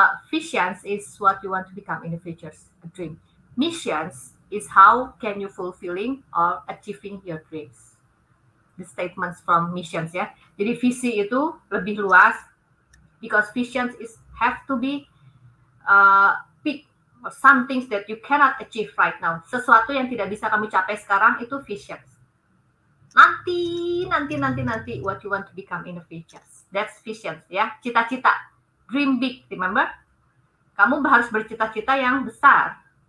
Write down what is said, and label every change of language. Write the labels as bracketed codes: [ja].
[en] Visions is what you want to become in the future, a dream. Missions is how can you fulfilling or achieving your dreams. The statements from missions, ya. [id] Jadi visi itu lebih luas [en] because visions is have to be or some things that you cannot achieve right now. [id] Sesuatu yang tidak bisa kamu capai sekarang itu vision. [en] Nanti, what you want to become in the future. That's vision, ya. [id] Cita-cita. [en] Dream big, remember? [id] Kamu harus bercita-cita yang besar.